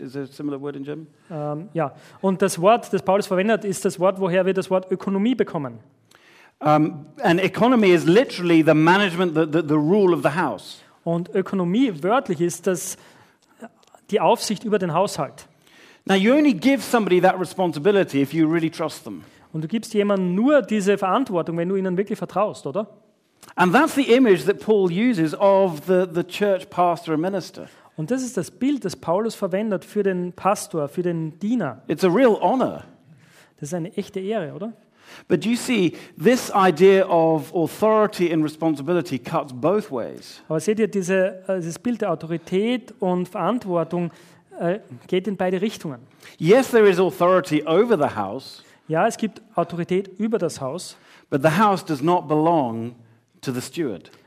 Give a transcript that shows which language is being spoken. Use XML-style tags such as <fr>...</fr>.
<en>Is there a similar word in German?</en> <de>Ja. Und das Wort, das Paulus verwendet, ist das Wort, woher wir das Wort Ökonomie bekommen.</de> <en>An economy is literally the management, the rule of the house.</en> <de>Und Ökonomie wörtlich ist das die Aufsicht über den Haushalt.</de> <en>Now you only give somebody that responsibility if you really trust them.</en> <de>Und du gibst jemandem nur diese Verantwortung, wenn du ihnen wirklich vertraust, oder?</de> <en>And that's the image that Paul uses of the church pastor and minister.</en> <de>Und das ist das Bild, das Paulus verwendet für den Pastor, für den Diener.</de> <en>It's a real honor.</en> <de>Das ist eine echte Ehre, oder?</de> <en>But you see, this idea of authority and responsibility cuts both ways.</en> <de>Aber seht ihr, dieses Bild der Autorität und Verantwortung geht in beide Richtungen.</de> <en>Yes, there is authority over the house.</en> <de>Ja, es gibt Autorität über das Haus.</de> <en>But the house does not belong to the steward.</en>